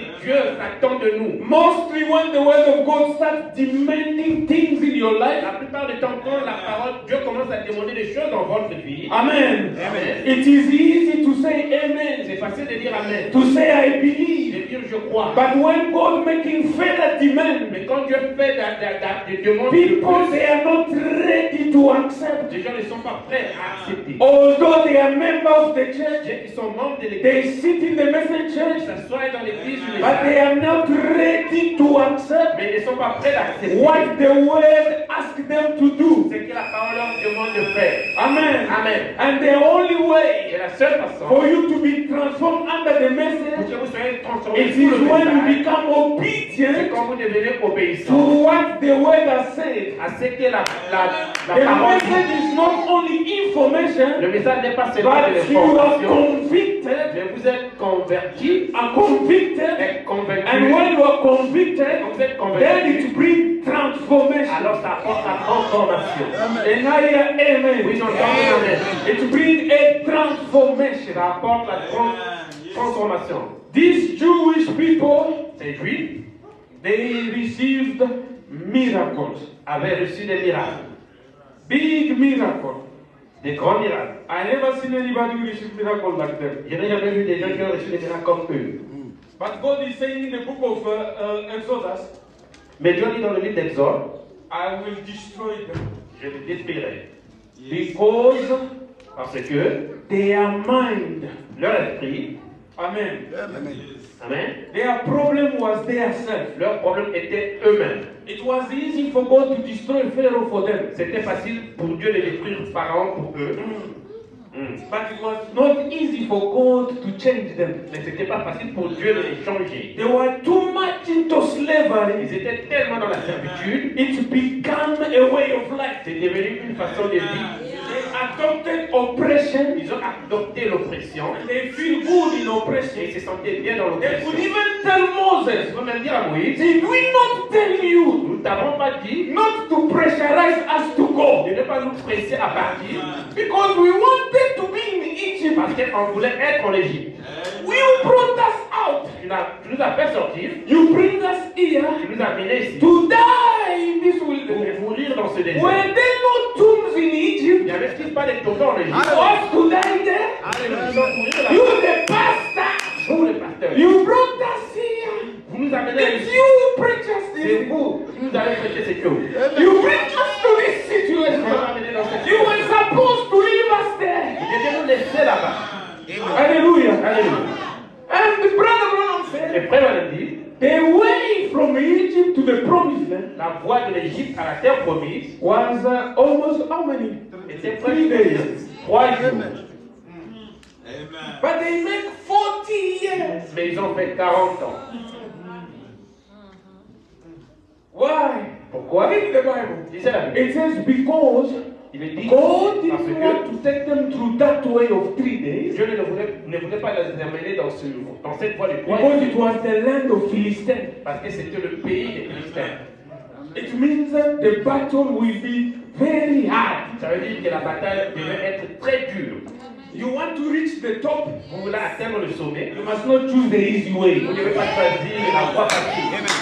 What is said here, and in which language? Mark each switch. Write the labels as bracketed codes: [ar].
[en] Mostly when the word of God starts demanding things in your life, amen. It is easy to say amen, to say I believe. But when God making further demands, people they are not ready to accept. [fr] Les gens ne sont pas prêts à accepter. [en] Although they are members of the church, [fr] ils sont membres de [en] l'église. They sit in the message church, [fr] ils s'assoient dans l'église, [en] but they are not ready to accept. [fr] Mais ils ne sont pas prêts à accepter. [en] What the word asks them to do. [fr] Ce que la parole leur demande de faire. [en] Amen. [fr] Amen. [en] And the only way [fr] la seule façon [en] for you to be transformed under the message. [fr] Pour que vous soyez transformés. [en] It is when you become obedient to what the word has said. The message is not only information, but you are convicted. [fr] Vous êtes converti, [en] convicted, and when you are convicted, then it brings transformation. Amen. It brings a transformation. [fr] Ça apporte la transformation. [en] These Jewish people, [fr] ces Juifs, [en] they received miracles. [fr] Avaient reçu des miracles. [en] Big miracles. [fr] Des grands miracles. [en] I never seen anybody receive miracles like them. [fr] Je n'ai jamais vu des gens qui ont reçu des miracles comme eux. [en] But God is saying in the book of Exodus, [fr] mais Dieu dit dans le livre d'Exode, [en] I will destroy them. [fr] Je les détruirai. Yes. [en] Because, [fr] parce que, [en] their mind, [fr] leur esprit, [en] amen. Yes. Amen. Their problem was their self. [fr] Leur problème était eux-mêmes. [en] It was easy for God to destroy Pharaoh for them. [fr] C'était facile pour Dieu de détruire Pharaon pour eux. [en] But it was not easy for God to change them. [fr] Mais c'était pas facile pour Dieu de les changer. [en] They were too much into slavery. [fr] Ils étaient tellement dans la servitude. [en] It became a way of life. [fr] C'est devenu une façon de vivre. [en] Adopted oppression. [fr] Ils ont adopté l'oppression. [en] They feel good in oppression. [fr] Ils se sentaient bien dans l'oppression. [en] They could even tell Moses. [fr] Ils pouvaient même dire à Moïse. [en] Did we not tell you? [fr] Nous t'avons pas dit. [en] Not to pressurize us to go. [fr] De ne pas nous presser à partir. [en] Because we wanted to be in Egypt. [fr] Parce qu'on voulait être en Égypte. [en] We brought us out. [fr] Tu nous as fait sortir. [en] You bring us here. [fr] Tu nous as amené ici. [en] To die in this wilderness. [fr] Pour mourir dans ce désert. [en] Were there no tombs in Egypt? [fr] Il n'y avait-il pas des tombes en Égypte? [en] Us to die there. [fr] Alléluia. [en] You the pastor. [fr] Vous le pasteur. [en] You brought us here. [fr] Vous nous amenez ici. [en] It's you who preached us here. [fr] C'est vous qui nous avez prêché cette chose. [en] You bring us to this situation. [fr] Vous nous amenez dans cette [en] situation. You were supposed to leave us there. [fr] Il était nous laisser là-bas. Alléluia. Alléluia. [en] And Brother Branham said, [fr] et Frère Branham dit, [en] the way from Egypt to the promised land, [fr] la voie de l'Égypte à la terre promise, [en] was almost how many? [fr] Était presque 3 jours. [en] Amen. But they make 40 years. [fr] Mais ils ont fait 40 ans. [en] Why? [fr] Pourquoi? [en] Read the Bible. [fr] Disait la Bible. [en] It says because. [fr] Il est dit, [en] God didn't want to take them through that way of 3 days. [fr] Dieu ne voulait pas les amener dans cette voie de [en] quoi? Because it was the land of Philistines. [fr] Parce que c'était le pays des Philistins. [en] It means that the battle will be very hard. [fr] Ça veut dire que la bataille devait être très dure. [en] You want to reach the top? [fr] Vous voulez atteindre le sommet? [en] You must not choose the easy way. [fr] Vous ne devez pas choisir la voie facile.